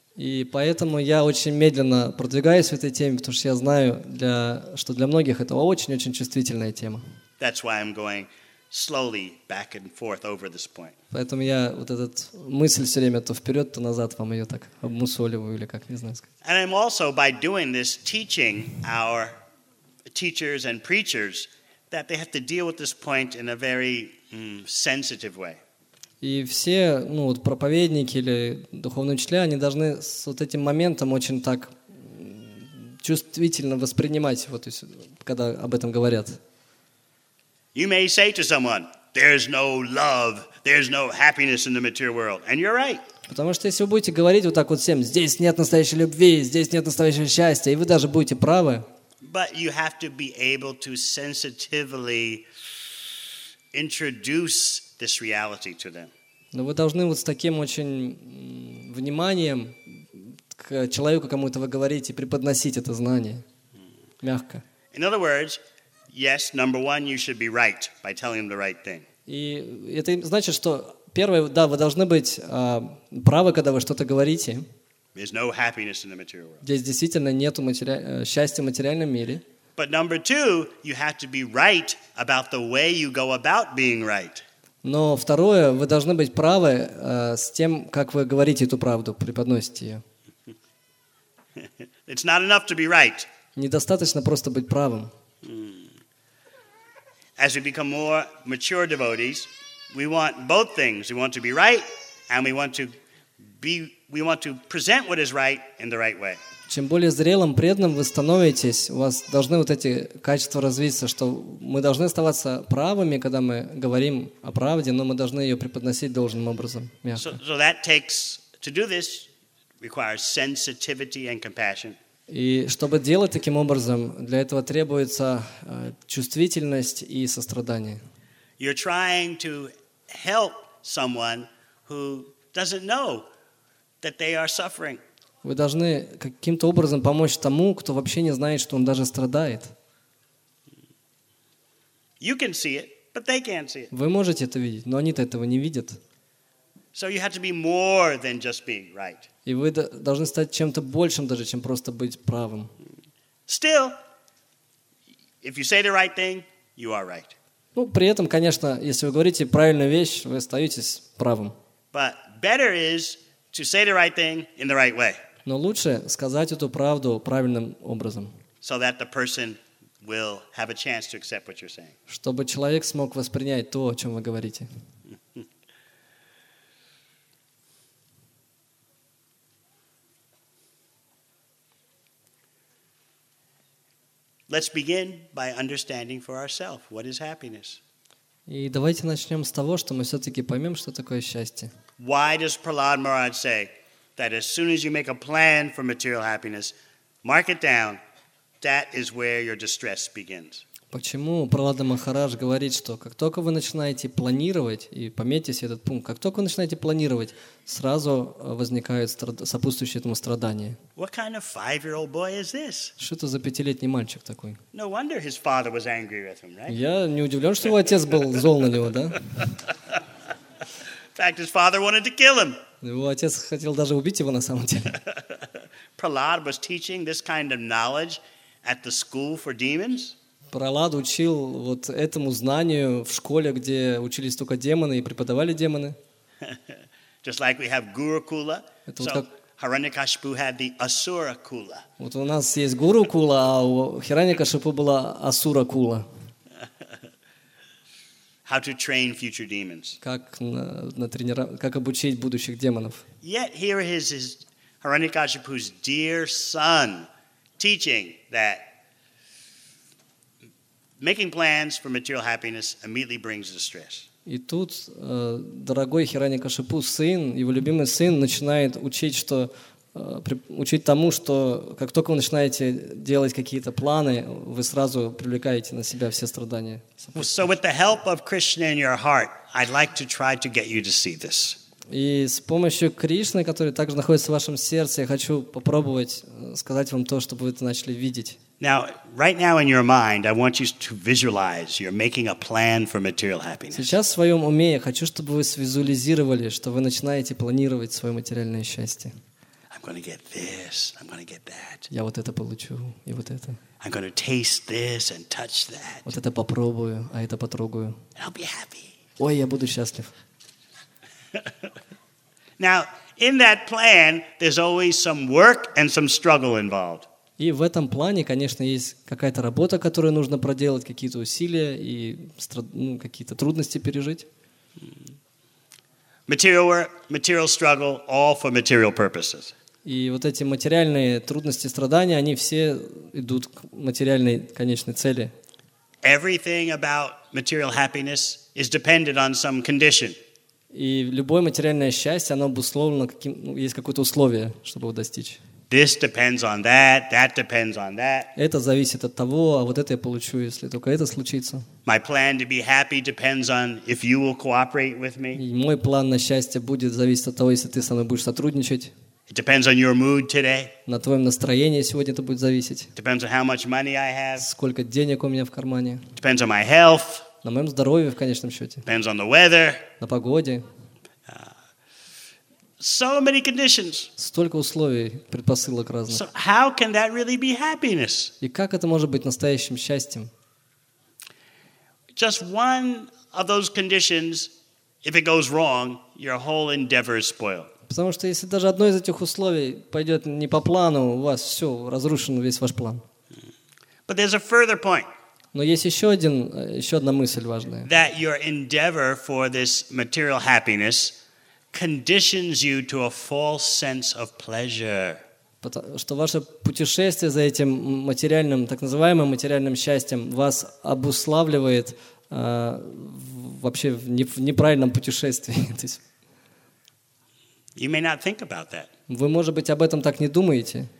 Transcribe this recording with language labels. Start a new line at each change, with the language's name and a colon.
Russian: И поэтому я очень медленно продвигаюсь в этой теме, потому что я знаю, что для многих это очень-очень чувствительная тема.
English: That's why I'm going slowly back and forth over this point.
Russian: Поэтому я вот этот мысль все время то вперед, то назад вам ее так обмусоливаю или как, не знаю сказать.
English: And I'm also by doing this teaching our teachers and preachers that they have to deal with this point in a very sensitive way.
Russian: И все, ну вот проповедники или духовные учителя, они должны с вот этим моментом очень так чувствительно воспринимать вот, когда об этом говорят.
English: You may say to someone, there's no love, there's no happiness in the material world. And you're right.
Russian: Потому что если вы будете говорить вот так вот всем, здесь нет настоящей любви, здесь нет настоящего счастья, и вы даже будете правы.
English: But you have to be able to sensitively introduce this reality to them.
Russian: Но вы должны вот с таким очень вниманием к человеку, кому это вы говорите, преподносить это знание мягко.
English: In other words, yes, number one, you should be right by telling them the right thing.
Russian: И это значит, что Первое, да, вы должны быть правы, когда вы что-то говорите.
English: There's no happiness in the material world.
Russian: Здесь действительно нету счастья в материальном мире.
English: But number two, you have to be right about the way you go about being right.
Russian: Но второе, вы должны быть правы с тем, как вы говорите эту правду, преподносите ее.
English: It's not enough to be right.
Russian: Недостаточно просто быть правым.
English: As we become more mature devotees, we want both things. We want to be right, and we want to present what is right in the right way.
Russian: Чем более зрелым, преданным вы становитесь, у вас должны вот эти качества развиться, что мы должны оставаться правыми, когда мы говорим о правде, но мы должны ее преподносить должным образом, мягко.
English: So that takes, to do this, requires sensitivity and compassion.
Russian: И чтобы делать таким образом, для этого требуется чувствительность и сострадание.
English: You're trying to help someone who doesn't know that they are suffering.
Russian: Вы должны каким-то образом помочь тому, кто вообще не знает, что он даже страдает.
English: You can see it, but they can't see it.
Russian: Вы можете это видеть, но они-то этого не видят.
English: So you have to be more than just being right.
Russian: И вы должны стать чем-то большим даже, чем просто быть правым.
English: Still, if you say the right thing, you are right.
Russian: Ну, при этом, конечно, если вы говорите правильную вещь, вы остаетесь правым.
English: But better is to say the right thing in the right way.
Russian: Но лучше сказать эту правду правильным образом.
English: So that the person will have a chance to accept what you're saying.
Russian: Чтобы человек смог воспринять то, о чем вы говорите.
English: Let's begin by understanding for ourselves what is happiness.
Russian: И давайте начнем с того, что мы все-таки поймем, что такое счастье.
English: Why does Prahlad Maharaj say that as soon as you make a plan for material happiness, mark it down, that is where your distress begins.
Russian: Почему Прахлад Махарадж говорит, что как только вы начинаете планировать, и пометьте себе этот пункт, как только вы начинаете планировать, сразу возникает сопутствующее этому страдание?
English: What kind of five-year-old boy is this?
Russian: Что это за пятилетний мальчик такой?
English: No wonder his father was angry with him, right?
Russian: Я не удивлен, что его отец был зол на него, да?
English: In fact, his father wanted to kill him.
Russian: Его отец хотел даже убить его на самом деле.
English: Prahlad was teaching this kind of knowledge at the school for demons.
Russian: Прохлад учил вот этому знанию в школе, где учились только демоны и преподавали демоны.
English: Just like we have Gurukula, so Hiranyakashipu had the Asurakula.
Russian: Вот у нас есть Гурукула, а у Хираньякашипу была Асуракула.
English: How to train future demons?
Russian: Как обучить будущих демонов?
English: Yet here is his Hiranyakashipu's dear son teaching that making plans for material happiness immediately brings distress.
Russian: И тут дорогой Хиранякашипу сын, его любимый сын, начинает учить, что учить тому, что как только вы начинаете делать какие-то планы, вы сразу привлекаете на себя все страдания.
English: So with the help of Krishna in your heart, I'd like to try to get you to see this.
Russian: И с помощью Кришны, который также находится в вашем сердце, я хочу попробовать сказать вам то, чтобы вы это начали видеть.
English: Now, right now in your mind, I want you to visualize you're making a plan for material happiness.
Russian: Сейчас в своем уме я хочу, чтобы вы визуализировали, что вы начинаете планировать свое материальное счастье.
English: I'm going to get this. I'm going to get that.
Russian: Я вот это получу и вот это.
English: I'm going to taste this and touch that.
Russian: Вот это попробую, а это потрогаю.
English: I'll be happy.
Russian: Ой, я буду счастлив.
English: Now, in that plan, there's always some work and some struggle involved.
Russian: И в этом плане, конечно, есть какая-то работа, которую нужно проделать, какие-то усилия и какие-то трудности пережить.
English: Material work, material struggle, all for material purposes.
Russian: И вот эти материальные трудности, страдания, они все идут к материальной конечной цели.
English: Everything about material happiness is dependent on some condition.
Russian: И любое материальное счастье, оно обусловлено каким, есть какое-то условие, чтобы его достичь.
English: This depends on that, that depends on that.
Russian: Это зависит от того, а вот это я получу, если только это случится.
English: My plan to be happy depends on if you will cooperate with me.
Russian: И мой план на счастье будет зависеть от того, если ты со мной будешь сотрудничать.
English: It depends on your mood today.
Russian: На твоем настроении сегодня это будет зависеть.
English: It depends on how much money I have.
Russian: Сколько денег у меня в кармане.
English: It depends on my health.
Russian: На моем здоровье в конечном счете.
English: Depends on the weather.
Russian: На погоде.
English: So many conditions.
Russian: Столько условий, предпосылок разных.
English: So how can that really be happiness?
Russian: И как это может быть настоящим счастьем?
English: Just one of those conditions, if it goes wrong, your whole endeavor is spoiled.
Russian: Потому что если даже одно из этих условий пойдет не по плану, у вас все, разрушен весь ваш план.
English: But there's a further point.
Russian: Но есть еще один, еще одна мысль важная.
English: That your endeavor for this material happiness conditions you to a false sense of pleasure.
Russian: Что ваше путешествие за этим материальным, так называемым материальным счастьем, вас обуславливает вообще в неправильном путешествии.
English: You may not think about that.
Russian: Вы, может быть, об этом так не думаете.